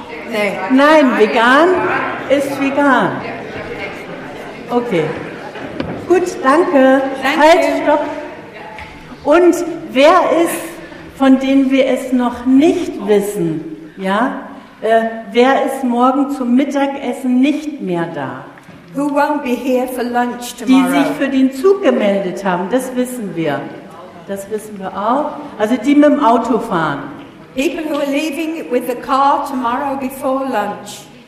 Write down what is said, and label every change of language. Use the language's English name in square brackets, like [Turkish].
[German] Nee. Nein, vegan ist vegan. Okay. Gut, danke. [English] Thank [German] halt, stopp. Und wer ist, von denen wir es noch nicht wissen, ja, wer ist morgen zum Mittagessen nicht mehr da? [English] Who won't be here for lunch tomorrow? [German] Die sich für den Zug gemeldet haben, das wissen wir. Das wissen wir auch. Also die mit dem Auto fahren. [English] People who are leaving with the car tomorrow before lunch.